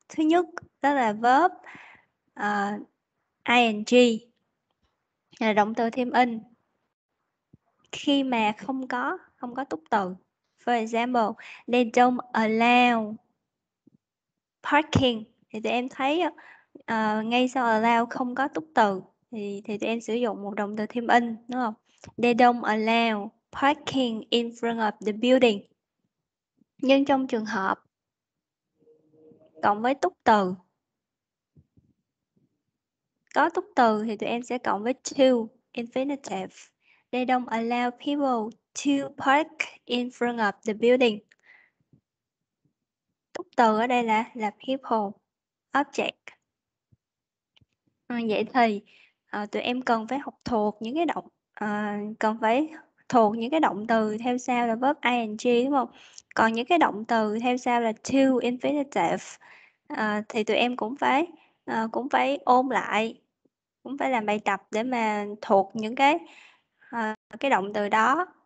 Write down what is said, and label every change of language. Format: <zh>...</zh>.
<vi>Thứ nhất đó là verb ing là động từ thêm in khi mà không có túc từ.</vi> <en>For example, they don't allow parking</en> <vi>thì tụi em thấy ngay sau allow không có túc từ. Thì tụi em sử dụng một động từ thêm in, đúng không?</vi> <en>They don't allow parking in front of the building.</en> <vi>Nhưng trong trường hợp cộng với túc từ, có túc từ thì tụi em sẽ cộng với to infinitive.</vi> <en>They don't allow people to park in front of the building.</en> <vi>Túc từ ở đây là people, object. Vậy thì tụi em cần phải học thuộc những cái động cần phải thuộc những cái động từ theo sau là verb ing đúng không? Còn những cái động từ theo sau là to infinitive thì tụi em cũng phải ôn lại, cũng phải làm bài tập để mà thuộc những cái động từ đó.</vi>